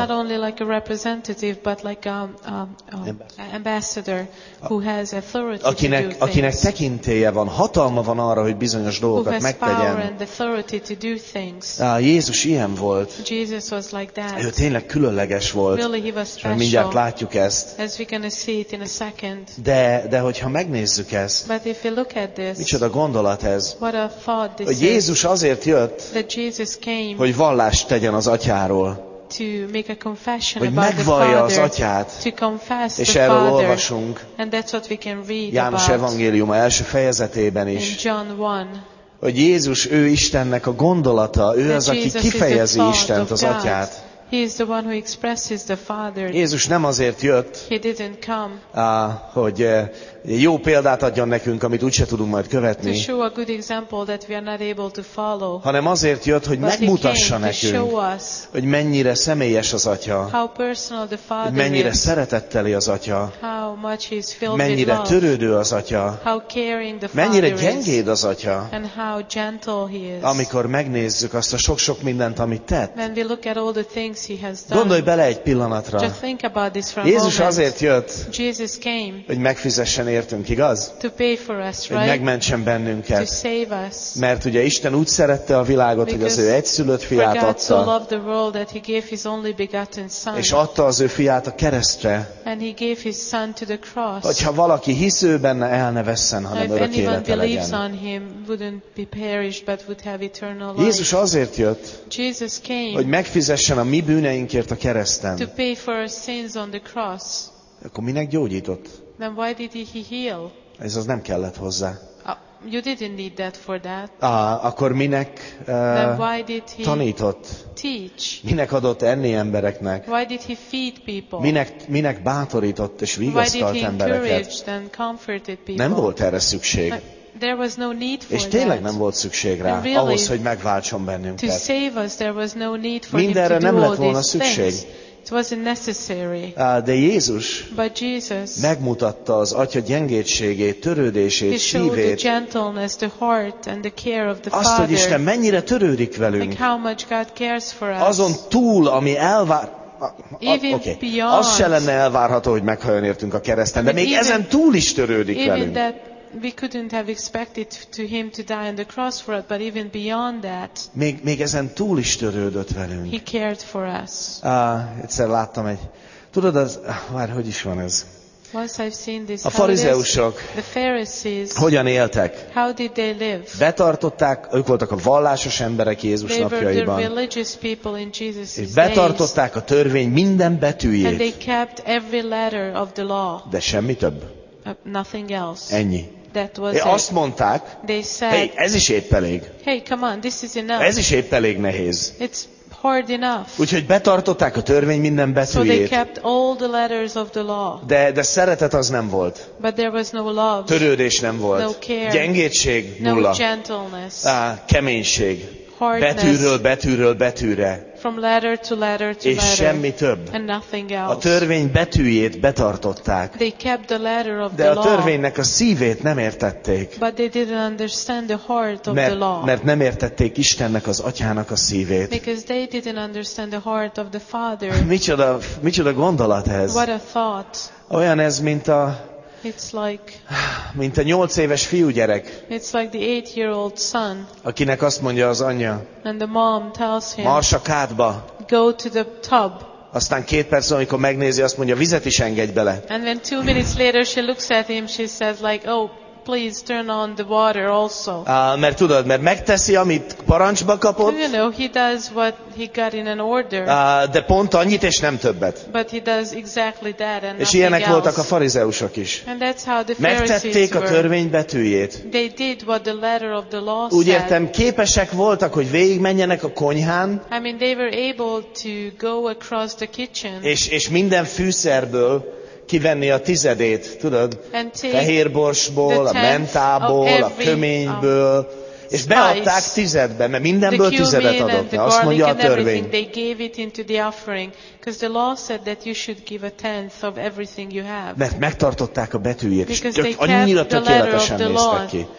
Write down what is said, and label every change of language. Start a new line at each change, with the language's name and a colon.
English: It's not only like a representative, but like ambassador who has authority
Hungarian: akinek,
English: to do things.
Hungarian: Akinek tekintélye van, hatalma van arra, hogy bizonyos dolgokat megtegyen.
English: Who has power and authority to do things.
Hungarian: Jézus ilyen volt.
English: Jesus was like that.
Hungarian: Ő tényleg különleges volt.
English: Really he was special.
Hungarian: Mindjárt látjuk ezt.
English: As we're gonna see it in a second.
Hungarian: De hogyha megnézzük ezt,
English: but if you look at this,
Hungarian: micsoda gondolat ez,
English: what a thought this
Hungarian: hogy Jézus Jézus azért jött,
English: came,
Hungarian: hogy vallást tegyen az atyáról, hogy megvallja
English: father,
Hungarian: az atyát, és erről olvasunk János evangéliuma első fejezetében is, hogy Jézus, ő Istennek a gondolata, ő az, aki
English: Jesus
Hungarian: kifejezi
English: is
Hungarian: Istent, az atyát.
English: He is the one who expresses the Father.
Hungarian: Jézus nem azért jött,
English: he didn't come,
Hungarian: hogy jó példát adjon nekünk, amit úgyse tudunk majd követni,
English: to show a good example that we are not able to follow,
Hungarian: hanem azért jött, hogy
English: but
Hungarian: megmutassa nekünk,
English: to show us,
Hungarian: hogy mennyire személyes az Atya,
English: how personal the Father
Hungarian: hogy mennyire
English: is,
Hungarian: szeretetteli az Atya,
English: how much he is filled
Hungarian: mennyire
English: with
Hungarian: törődő
English: love,
Hungarian: az Atya,
English: how caring the
Hungarian: mennyire
English: Father
Hungarian: gyengéd
English: is,
Hungarian: az Atya,
English: and how gentle he is.
Hungarian: Amikor megnézzük azt a sok-sok mindent, amit tett,
English: when we look at all the things he has done.
Hungarian: Gondolj bele egy pillanatra.
English: Just think about this for a
Hungarian: Jézus
English: moment.
Hungarian: Azért jött,
English: Jesus came,
Hungarian: hogy megfizessen értünk, igaz?
English: To pay for us,
Hungarian: hogy
English: right?
Hungarian: Megmentsen bennünket.
English: To save us.
Hungarian: Mert ugye Isten úgy szerette a világot,
English: because
Hungarian: hogy az ő egyszülött fiát adta.
English: So loved the world that he gave his only begotten son.
Hungarian: És adta az ő fiát a keresztre.
English: And he gave his son to the cross.
Hungarian: Hogyha valaki hisz ő benne, el ne vesszen, hanem örök élete legyen.
English: If anyone believes on him, wouldn't be perished, but would have eternal life.
Hungarian: Jézus azért jött,
English: Jesus came,
Hungarian: hogy megfizessen a mi bűneinkért a kereszten.
English: To pay for our sins on the cross.
Hungarian: Akkor minek gyógyított?
English: Then why did he heal?
Hungarian: Ez az nem kellett hozzá.
English: You didn't need that for that.
Hungarian: Akkor minek
English: then why did he
Hungarian: tanított?
English: Teach?
Hungarian: Minek adott enni embereknek?
English: Why did he feed people?
Hungarian: Minek bátorított és vigasztalt embereket?
English: Why did he encourage and comforted people?
Hungarian: Nem volt erre szükség.
English: There was no need for
Hungarian: és tényleg
English: that.
Hungarian: Nem volt szükség rá,
English: really,
Hungarian: ahhoz, hogy megváltson bennünket.
English: To save us, there was no need for
Hungarian: mindenre
English: him to
Hungarian: nem
English: do
Hungarian: lett
English: all
Hungarian: volna
English: these
Hungarian: szükség.
English: Things. It wasn't necessary.
Hungarian: De Jézus
English: but Jesus
Hungarian: megmutatta az Atya gyengédségét, törődését,
English: he
Hungarian: szívét.
English: Showed the gentleness, the heart and the care of the
Hungarian: azt,
English: Father.
Hungarian: Azt, hogy Isten mennyire törődik velünk.
English: Like how much God cares for us.
Hungarian: Azon túl, ami elvár.
English: Even okay. Beyond.
Hungarian: Az se lenne elvárható, hogy meghaljon értünk a kereszten, de még
English: even,
Hungarian: ezen túl is törődik velünk.
English: We couldn't have expected to him to die on the cross for us, but even beyond that,
Hungarian: még ezen túl is törődött velünk.
English: He cared for us.
Hungarian: Egyszer láttam egy, tudod az, már hogy is van ez?
English: Once I've seen this.
Hungarian: A farizeusok,
English: the Pharisees,
Hungarian: hogyan éltek?
English: How did they live?
Hungarian: Betartották, ők voltak a vallásos emberek Jézus
English: they
Hungarian: napjaiban.
English: Were the religious people in Jesus' days.
Hungarian: És betartották a törvény minden betűjét.
English: And they kept every letter of the law.
Hungarian: De semmi több.
English: Nothing else.
Hungarian: Ennyi.
English: That was it.
Hungarian: Azt mondták,
English: they said,
Hungarian: hey, ez is épp elég.
English: Hey, come on, this is enough.
Hungarian: Ez is épp elég nehéz.
English: It's hard enough.
Hungarian: Úgyhogy betartották a törvény minden betűjét.
English: So they kept all the letters of the law.
Hungarian: De szeretet az nem volt.
English: But there was no love.
Hungarian: Törődés nem volt.
English: No care.
Hungarian: Gyengédség nulla.
English: No gentleness.
Hungarian: Keménység.
English: Hardness.
Hungarian: Betűről betűre.
English: From letter to letter to
Hungarian: és
English: letter,
Hungarian: semmi több.
English: And nothing else.
Hungarian: A törvény betűjét betartották.
English: They kept the letter of
Hungarian: de
English: the
Hungarian: a törvénynek a szívét nem értették.
English: But they didn't understand the heart of
Hungarian: mert,
English: the law.
Hungarian: Mert nem értették Istennek, az Atyának a szívét.
English: Because they didn't understand the heart of the Father.
Hungarian: Micsoda gondolat ez.
English: What a thought.
Hungarian: Olyan ez, mint a
English: it's like,
Hungarian: mint a 8 éves fiúgyerek.
English: It's like the 8-year-old son.
Hungarian: Akinek azt mondja az anyja.
English: And the mom tells him.
Hungarian: Marsa kádba.
English: Go to the tub.
Hungarian: Aztán 2 perc, amikor megnézi, azt mondja, vizet is engedj bele.
English: And then 2 minutes later she looks at him, she says like, oh, please turn on the water also.
Hungarian: Mert tudod, mert megteszi, amit parancsba kapott.
English: You know, he does what he got in an order.
Hungarian: De pont annyit és nem többet.
English: But he does exactly that and nothing else.
Hungarian: És ilyenek voltak a farizeusok is.
English: And that's how the Pharisees
Hungarian: megtették
English: were.
Hungarian: A törvény betűjét.
English: They did what the letter of the law said.
Hungarian: Úgy értem, képesek voltak, hogy végigmenjenek a konyhán.
English: I mean, they were able to go across the kitchen.
Hungarian: És minden fűszerből kivenni a tizedét, tudod, fehérborsból, a mentából, a köményből, és beadták tizedbe, mert mindenből tizedet adott, mert azt mondja a törvény.
English: They gave it into the offering, because the law said that you should give a tenth of everything you have.
Hungarian: Mert megtartották a betűjét, és annyira tökéletesen néztek ki.